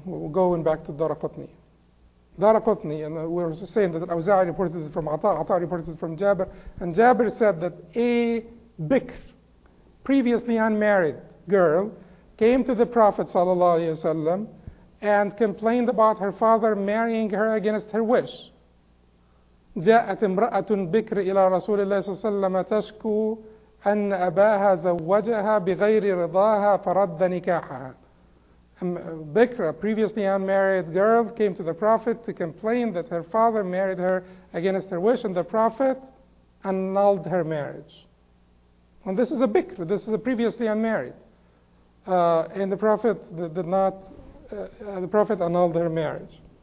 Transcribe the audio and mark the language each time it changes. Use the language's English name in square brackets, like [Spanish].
[English] We're going back to Daraqutni. Daraqutni, and we're saying that Awza'i reported it from Ata, Ata reported it from Jabir, and Jabir said that a Bikr, previously unmarried girl, came to the Prophet sallallahu alaihi wasallam and complained about her father marrying her against her wish. [Arabic] جاءت امرأة بكر إلى رسول الله صلى الله عليه وسلم تشكو أن أباها زوجها بغير رضاها فرد نكاحها. [English] بكر, a previously unmarried girl, came to the Prophet to complain that her father married her against her wish, and the Prophet annulled her marriage. And this is a Bikr, this is a previously unmarried. And the Prophet did not annulled her marriage.